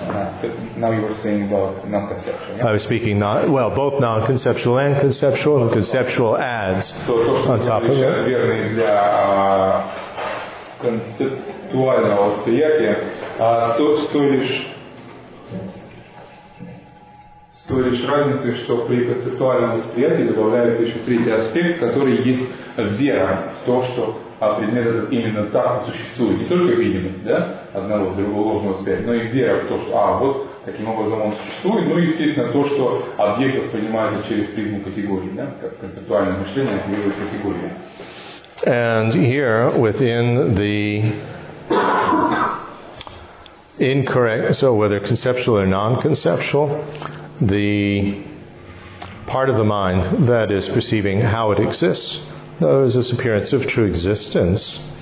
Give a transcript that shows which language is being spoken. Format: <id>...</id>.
<en>Now you were saying about non-conceptual, yeah? I was speaking, well, both non-conceptual and conceptual, and conceptual adds on top of it.</en> <ru>Концептуального восприятия, а то с той лишь разницей, что при концептуальном восприятии добавляется еще третий аспект, который есть вера в то, что предмет этот именно так и существует. Не только видимость, да, одного другого ложного восприятия, но и вера в то, что вот таким образом он существует, ну и естественно то, что объект воспринимается через призму категории, да, как концептуальное мышление оперирует категории.</ru> <en>And here, within the incorrect, so whether conceptual or non-conceptual, the part of the mind that is perceiving how it exists, there is this appearance of true existence,</en>